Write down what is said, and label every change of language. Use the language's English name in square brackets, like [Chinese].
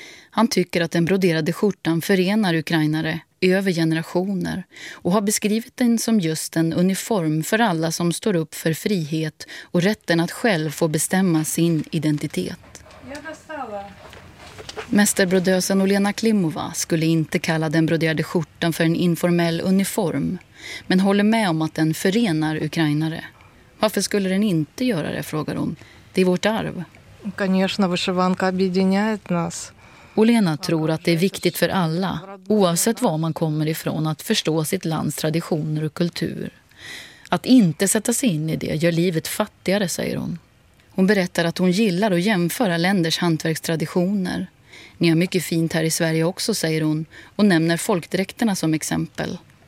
[Swedish] Han tycker att den broderade skjortan förenar ukrainare över generationer och har beskrivit den som just en uniform för alla som står upp för frihet och rätten att själv få bestämma sin identitet. Mästerbrodösen Olena Klimova skulle inte kalla den broderade skjortan för en informell uniform, men håller med om att den förenar ukrainare. Varför skulle den inte göra det, frågar hon. Det är vårt arv. [Russian] Конечно, вышиванка объединяет нас. [Swedish] Olena tror att det är viktigt för alla, oavsett var man kommer ifrån, att förstå sitt lands traditioner och kultur. Att inte sätta sig in i det gör livet fattigare, säger hon. Hon berättar att hon gillar att jämföra länders hantverkstraditioner. Ni har mycket fint här i Sverige också, säger hon, och nämner folkdräkterna som exempel.